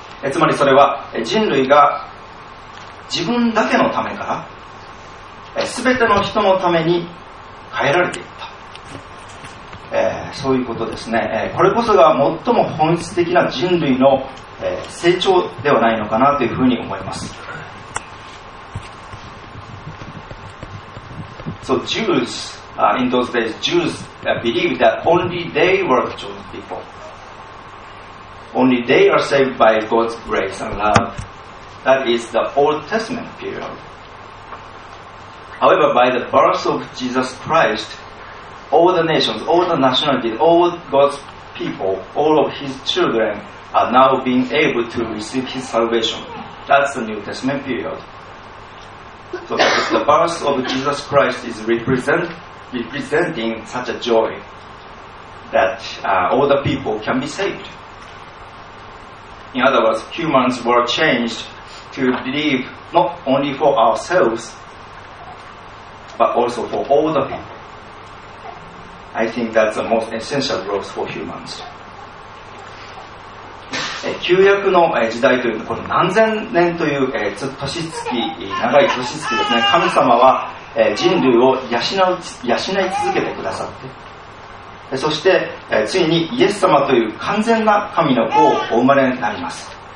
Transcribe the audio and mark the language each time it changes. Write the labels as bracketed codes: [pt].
[ja] つまりそれは人類が自分だけのためから全ての人のために変えられていった、そういうことですね。これこそが最も本質的な人類の成長ではないのかなというふうに思います。 [en] So Jews, in those days, Jews believed that only they were the chosen people. Only they are saved by God's grace and love. That is the Old Testament period. However, by the birth of Jesus Christ, all the nations, all the nationalities, all God's people, all of His children are now being able to receive His salvation. That's the New Testament period. So the birth of Jesus Christ is representing such a joy that all the people can be saved. In other words, humans were changed to believe not only for ourselves,but also for all the people. I think that's the most essential growth for humans. [ja] 旧約の時代というのは、これ何千年という長い年月ですね。神様は人類を養い続けてくださって、そしてついにイエス様という完全な神の子をお生まれになります。